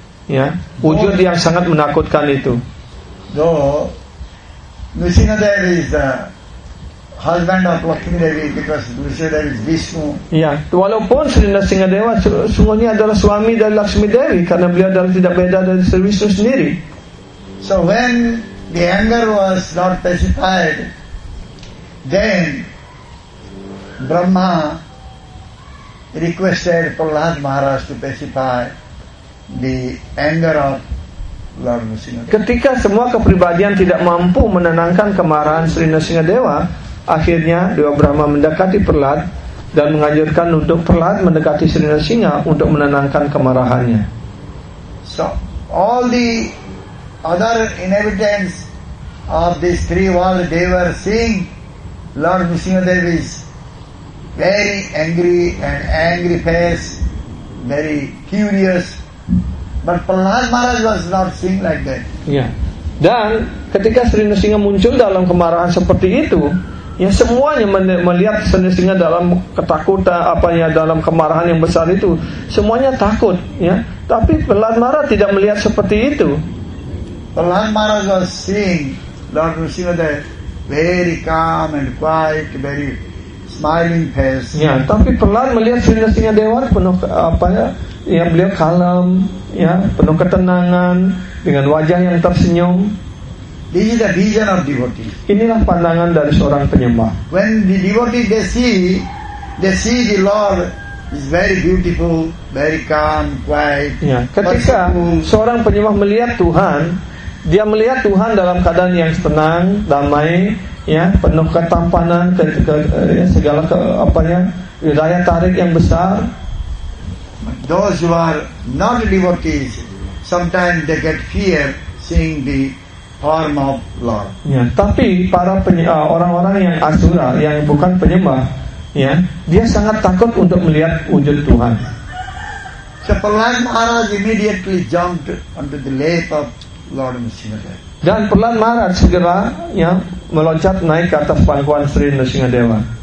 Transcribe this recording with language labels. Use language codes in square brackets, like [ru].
[id] Ya, wujud yang sangat menakutkan itu. [en] Do Nrsimhadeva is the husband of Lakshmidevi because Nrsimhadeva is Vishnu. [id] Ya, walaupun Sri Nrsimhadeva sungguhnya adalah suami dari Lakshmidevi karena beliau adalah tidak beda dari Sri Vishnu sendiri. [en] So when the anger was not pacified, then Brahma requested Prahlad Maharaj to pacify the anger of Lord Nrsimhadeva. [id] Ketika semua kepribadian tidak mampu menenangkan kemarahan Sri Nrsimhadeva, akhirnya Dewa Brahma mendekati Prahlad dan menganjurkan untuk Prahlad mendekati Sri Nrsimha untuk menenangkan kemarahannya. [en] So all the other inhabitants of this three world, they were seeing Lord Nrsimhadeva is very angry and angry face, very furious. But Prahlad Maharaj was not seeing like that. [id] Ya. Dan ketika Sri Nrsimha muncul dalam kemarahan seperti itu, yang semuanya melihat Sri Nrisimha dalam ketakutan, apanya dalam kemarahan yang besar itu, semuanya takut, ya. Tapi Prahlad Maharaja tidak melihat seperti itu. [en] Prahlad Maharaja was seeing Lord Nrisimha the very calm and quiet, very smiling face. [id] Ya, tapi Prahlad melihat Sri Nrisimha Dewan penuh apanya, ya, beliau kalem, ya, penuh ketenangan dengan wajah yang tersenyum. [en] This is the vision of devotee. [id] Inilah pandangan dari seorang penyembah. [en] When the devotee they see the Lord is very beautiful, very calm, quiet. [id] Ya, ketika seorang penyembah melihat Tuhan, dia melihat Tuhan dalam keadaan yang tenang, damai, ya, penuh ketampanan, daya tarik yang besar. [en] Those who are not devotees, sometimes they get fear seeing the form of Lord. [id] Ya, tapi para orang-orang yang asura, yang bukan penyembah, ya, dia sangat takut untuk melihat wujud Tuhan. [en] So Prahlad Maharaja immediately jumped onto the lap of Lord Nrisimha Dewa. [id] Dan Prahlad Maharaja segera, ya, meloncat naik ke atas pangkuan Sri Nrisimha Dewa.